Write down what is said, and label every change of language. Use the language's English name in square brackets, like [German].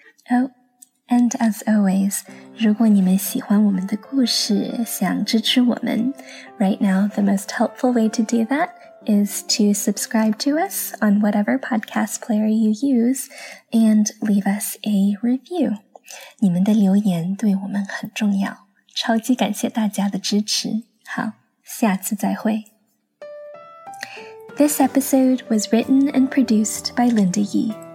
[English] Oh, and as always, [Chinese] 如果你们喜欢我们的故事，想支持我们， [English] right now the most helpful way to do that is to subscribe to us on whatever podcast player you use and leave us a review. [Chinese] 你们的留言对我们很重要，超级感谢大家的支持。好，下次再会。 [English] This episode was written and produced by Linda Yi.